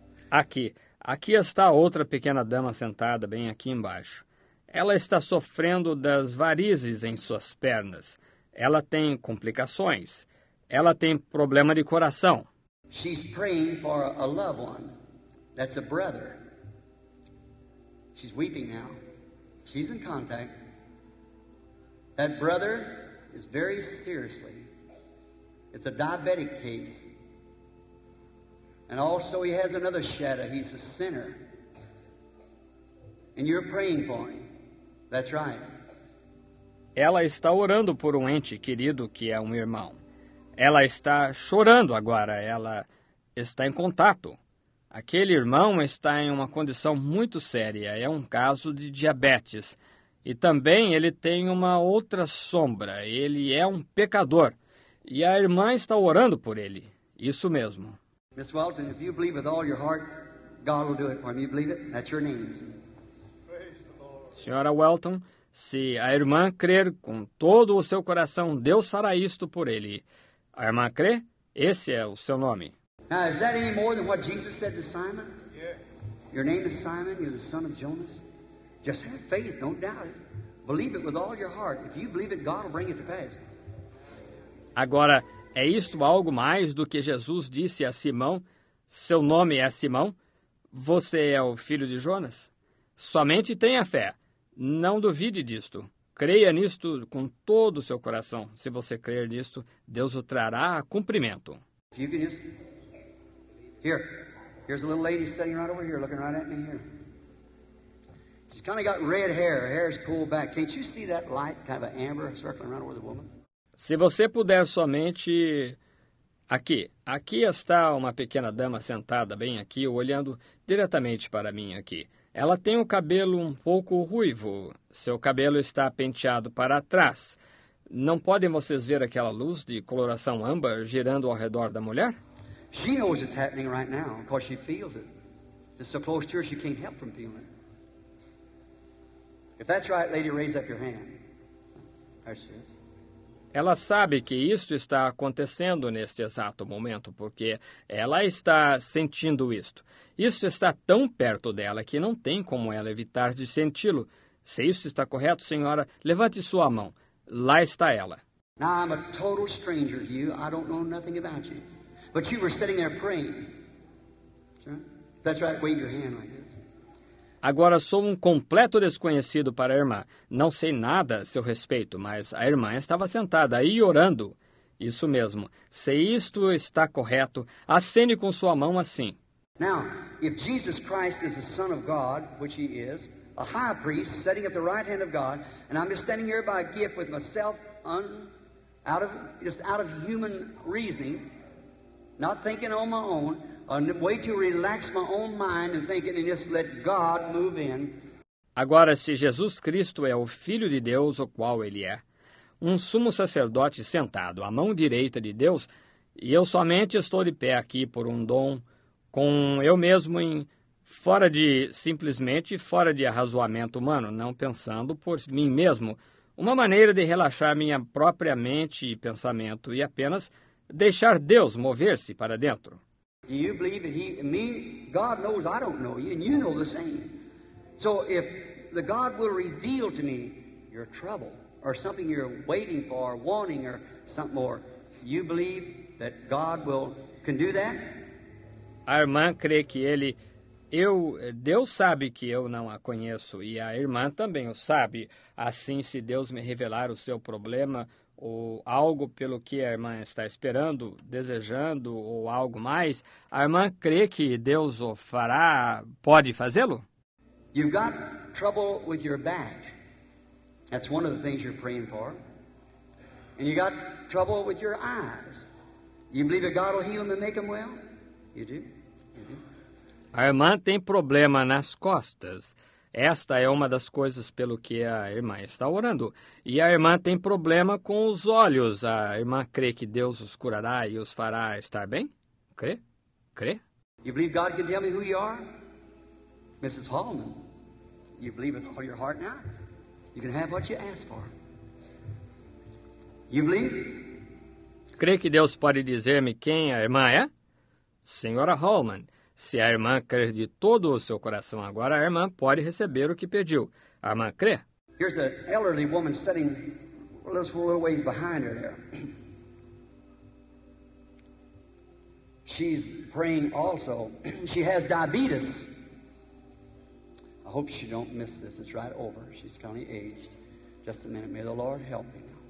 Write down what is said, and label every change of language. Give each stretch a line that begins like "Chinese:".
Portuguese: Aqui está outra pequena dama sentada bem aqui embaixo. Ela está sofrendo das varizes em suas pernas. Ela tem complicações. Ela tem problema de coração.
English: She's praying for a loved one. That's a brother. She's weeping now. She's in contact. That brother is very seriously. It's a diabetic case. And also he has another shadow. He's a sinner. And you're praying for him. That's right.
Portuguese: Ela está orando por um ente querido que é um irmão. Ela está chorando agora. Ela está em contato. Aquele irmão está em uma condição muito séria. É um caso de diabetes. E também ele tem uma outra sombra. Ele é um pecador. E a irmã está orando por ele. Isso mesmo.
English: Miss Walton, if you believe with all your heart, God will do it for me. You believe it? That's your name.
Portuguese: Senhora Walton, se a irmã crer com todo o seu coração, Deus fará isto por ele. A irmã crê? Esse é o seu nome.
English: Now, is that any more than what Jesus said to Simon? Yeah. Your name is Simon, you're the son of Jonas. Just have faith, don't doubt it. Believe it with all your heart. If you believe it, God will bring it to pass.
Portuguese: Agora, é isto algo mais do que Jesus disse a Simão? Seu nome é Simão? Você é o filho de Jonas? Somente tenha fé. Não duvide disto. Creia nisto com todo o seu coração. Se você crer nisto, Deus o trará a cumprimento.
English: Here's a little lady sitting right over here, looking right at me here. She's kind of got red hair. Her hair is pulled back. Can't you see that light, kind of an amber, circling around over the woman?
Portuguese: Se você puder somente... Aqui está uma pequena dama sentada bem aqui, olhando diretamente para mim aqui. Ela tem o cabelo um pouco ruivo. Seu cabelo está penteado para trás. Não podem vocês ver aquela luz de coloração âmbar girando ao redor da mulher?
English: She knows it's happening right now, because she feels it. It's so close to her, she can't help from feeling it. If that's right, lady, raise up your hand. There she is.
Portuguese: Ela sabe que isso está acontecendo neste exato momento, porque ela está sentindo isto. Isso está tão perto dela que não tem como ela evitar de senti-lo. Se isso está correto, senhora, levante sua mão. Lá está ela.
English: Now, I'm a total stranger to you. I don't know nothing about you. But you were sitting there praying. That's right, wave your hand like this.
Portuguese: Agora sou um completo desconhecido para a irmã. Não sei nada a seu respeito, mas a irmã estava sentada aí orando. Isso mesmo. Se isto está correto, acene com sua mão assim.
English: Now, if Jesus Christ is the Son of God, which he is, a high priest sitting at the right hand of God, and I'm just standing here by a gift with myself out of human reasoning, not thinking on my own, a way to relax my own mind and thinking and just let God move in.
Portuguese: Agora, se Jesus Cristo é o Filho de Deus, o qual ele é, um sumo sacerdote sentado à mão direita de Deus, e eu somente estou de pé aqui por um dom, com eu mesmo em simplesmente fora de arrazoamento humano, não pensando por mim mesmo, uma maneira de relaxar minha própria mente e pensamento e apenas deixar Deus mover-se para dentro.
English: Do you believe that God knows I don't know you, and you know the same. So if the God will reveal to me your trouble, or something you're waiting for, or wanting, or something more, you believe that God can do that?
Portuguese: A irmã crê que ele... Deus sabe que eu não a conheço, e a irmã também o sabe. Assim, se Deus me revelar o seu problema, ou algo pelo que a irmã está esperando, desejando, ou algo mais, a irmã crê que Deus o fará, pode fazê-lo?
English: You've got trouble with your back. That's one of the things you're praying for. And you got trouble with your eyes. You believe that God will heal them and make them well? You do?
Portuguese: A irmã tem problema nas costas. Esta é uma das coisas pelo que a irmã está orando. E a irmã tem problema com os olhos. A irmã crê que Deus os curará e os fará estar bem? Crê? Crê?
English: You believe God can tell me who you are? Mrs. Hallman, you believe with all your heart now? You can have what you ask for. You believe?
Portuguese: Creio que Deus pode dizer-me quem a irmã é? Senhora Holman, se a irmã crer de todo o seu coração agora, a irmã pode receber o que pediu. A irmã crê?
English: Here's an elderly woman sitting a little ways behind her there. She's praying also. She has diabetes. I hope she don't miss this. It's right over. She's kind of aged. Just a minute. May the Lord help me.